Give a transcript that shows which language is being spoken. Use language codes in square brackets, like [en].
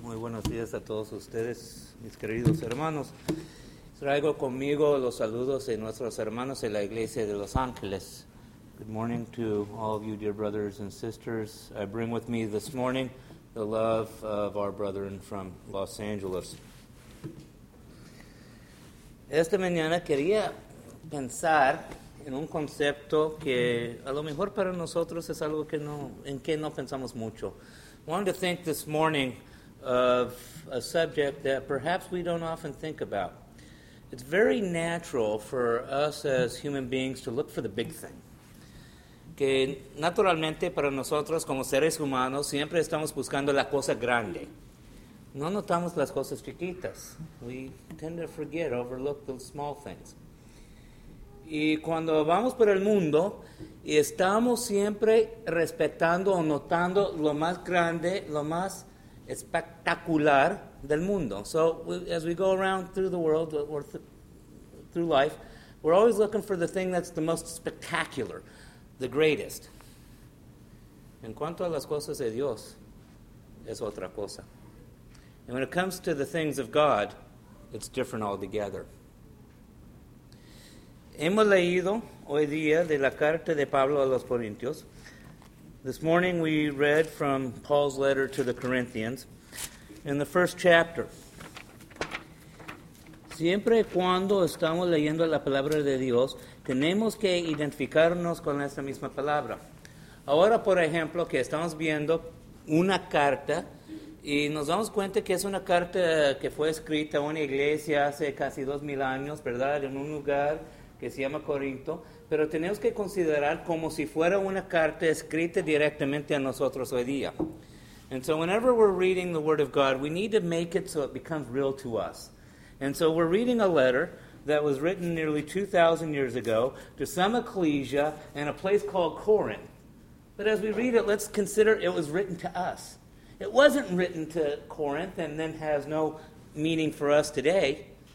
[es] Muy buenos días a todos ustedes, mis queridos hermanos. Traigo conmigo los saludos de nuestros hermanos en la Iglesia de Los Ángeles. [en] Good morning to all of you, dear brothers and sisters. I bring with me this morning the love of our brethren from Los Angeles. [es] Esta mañana quería pensar en un concepto que a lo mejor para nosotros es algo que no pensamos mucho. [en] I wanted to think this morning of a subject that perhaps we don't often think about. It's very natural for us as human beings to look for the big thing. [es] Que naturalmente para nosotros como seres humanos siempre estamos buscando la cosa grande. No notamos las cosas chiquitas. [en] We tend to forget, overlook the small things. [es] Y cuando vamos por el mundo y estamos siempre respetando o notando lo más grande, lo más espectacular del mundo. [en] So as we go around through the world or through life, we're always looking for the thing that's the most spectacular, the greatest. [es] En cuanto a las cosas de Dios, es otra cosa. [en] And when it comes to the things of God, it's different altogether. [es] Hemos leído hoy día de la carta de Pablo a los Corintios. [en] This morning we read from Paul's letter to the Corinthians in the first chapter. [es] Siempre cuando estamos leyendo la palabra de Dios, tenemos que identificarnos con esta misma palabra. Ahora, por ejemplo, que estamos viendo una carta y nos damos cuenta que es una carta que fue escrita a una iglesia hace casi 2,000 años, ¿verdad? En un lugar que se llama Corinto, pero tenemos que considerar como si fuera una carta escrita directamente a nosotros hoy día. [en] And so whenever we're reading the Word of God, we need to make it so it becomes real to us. And so we're reading a letter that was written nearly 2,000 years ago to some ecclesia in a place called Corinth. But as we read it, let's consider it was written to us. It wasn't written to Corinth and then has no meaning for us today.